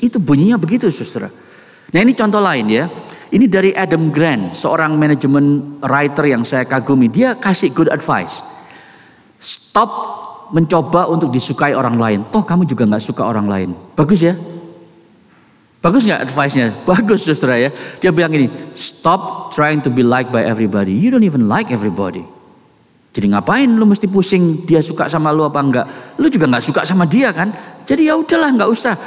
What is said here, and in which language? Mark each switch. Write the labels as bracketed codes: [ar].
[id] Itu bunyinya begitu, saudara. Nah, ini contoh lain ya. Ini dari Adam Grant, seorang management writer yang saya kagumi. Dia kasih [en] good advice. [id] Stop mencoba untuk disukai orang lain. Toh kamu juga gak suka orang lain. Bagus ya? Bagus gak advice-nya? Bagus, saudara ya. [en] Dia bilang gini, stop trying to be liked by everybody. You don't even like everybody. [id] Jadi ngapain lu mesti pusing dia suka sama lu apa enggak? Lu juga gak suka sama dia kan? Jadi ya udahlah, gak usah.